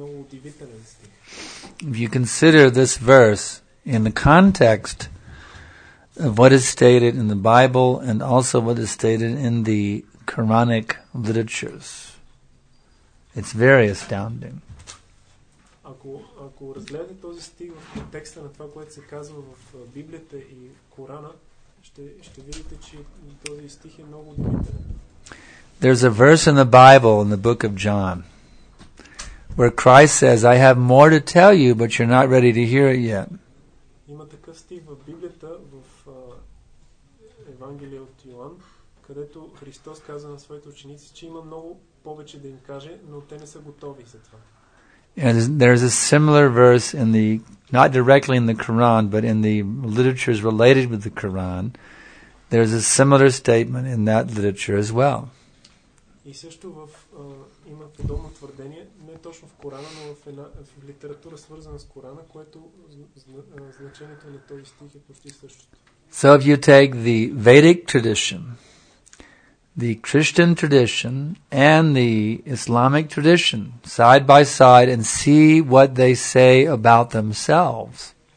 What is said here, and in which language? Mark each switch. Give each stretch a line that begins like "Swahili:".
English: If you consider this verse in the context of what is stated in the Bible and also what is stated in the Quranic literatures, it's very astounding.
Bulgarian: Ако разгледате този стих в контекста на това, което се казва в Библията и Корана, ще видите, че този стих е много удивителен.
English: There's a verse in the Bible in the book of John where Christ says, I have more to tell you, but you're not ready to hear it yet.
Bulgarian: Има такъв стих в Библията, в Евангелие от Йоан, където Христос казва на своите ученици, че има много повече да им каже, но те не са готови за това.
English: And there's a similar verse in the, not directly in the Quran, but in the literatures related with the Quran, there's a similar statement in that literature as well.
Bulgarian: И също има подобно твърдение, не точно в Корана, но в литература свързана с Корана, което значението на този стих е почти същото.
English: So if you take the Vedic tradition, the Christian tradition, and the Islamic tradition side by side and see what they say about themselves,